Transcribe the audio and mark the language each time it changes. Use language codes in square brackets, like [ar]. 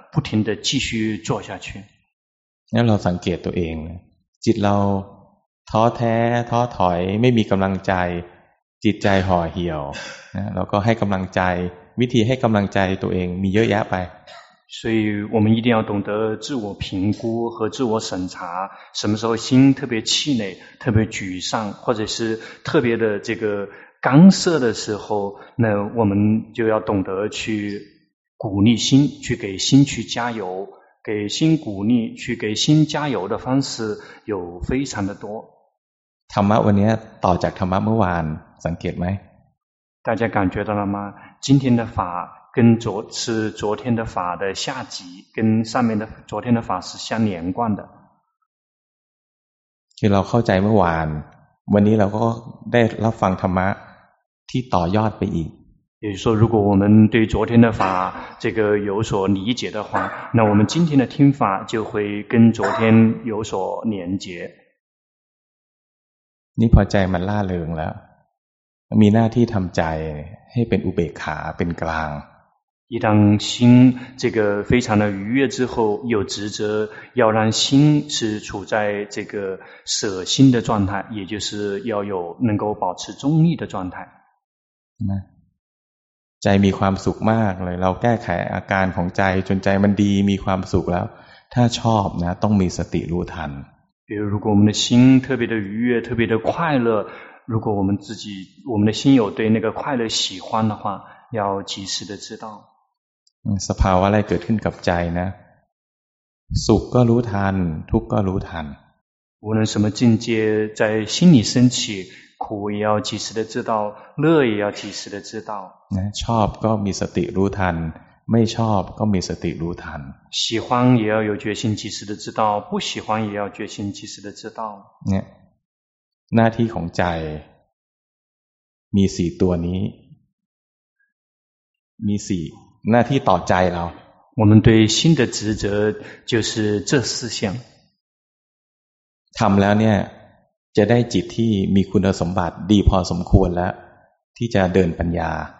[zh] 不停地继续做下去。那我们 [th] สังเกตตัวเอง，จิตเราท้อแท้ท้อถอยไม่มีกำลังใจจิตใจห่อเหี่ยวนะเราก็ให้กำลังใจวิธีให้กำลังใจตัวเองมีเยอะแยะไป。 [zh] 所以我们一定要懂得自我评估和自我审查，什么时候心特别气馁、特别沮丧，或者是特别的这个干涩的时候，那我们就要懂得去。鼓励心去给心去加油，给心鼓励去给心加油的方式有非常的多。 [th] ธรรมะวันนี้ต่อจากธรรมะเมื่อวานสังเกตไหม？ [zh] 大家感觉到了吗？今天的法跟昨天的法的下集，跟上面的昨天的法是相连贯的。 [th] คือเราเข้าใจเมื่อวาน，วันนี้เราก็ได้รับฟังธรรมะที่ต่อยอดไปอีก。 [zh] 也就是说，如果我们对昨天的法这个有所理解的话，那我们今天的听法就会跟昨天有所连结。你 [th] พอใจมันล่าเริงแล้วมีหน้าที่ทำใจให้เป็นอุเบกขาเป็นกลาง。 [zh] 一旦心这个非常的愉悦之后，有职责要让心是处在这个舍心的状态，也就是要有能够保持中立的状态。 [th] ใจมีความสุขมากเลยเราแก้ไขอาการของใจจนใจมันดีมีความสุขแล้วถ้าชอบนะต้องมีสติรู้ทัน [zh] 比如如果我们的心特别的愉悦特别的快乐如果我们的心有对那个快乐喜欢的话要及时的知道 [th] สภาวะอะไรเกิดขึ้นกับใจนะสุขก็รู้ทันทุกข์ก็รู้ทัน [zh] 无论什么境界在心里升起苦也要及时的知道，乐也要及时的知道。 [th] 那ชอบก็มีสติรู้ทัน，ไม่ชอบก็มีสติรู้ทัน。 [zh] 喜欢也要有决心及时的知道，不喜欢也要决心及时的知道。 [th] 那หน้าที่ของใจมีสี่ตัวนี้มีสี่หน้าที่ต่อใจเรา。 [zh] 我们对心的职责就是这四项。 [th] ทำแล้วเนี่ยจะได้จิตที่มีคุณสมบัติดีพอสมควรแล้วที่จะเดินปัญญา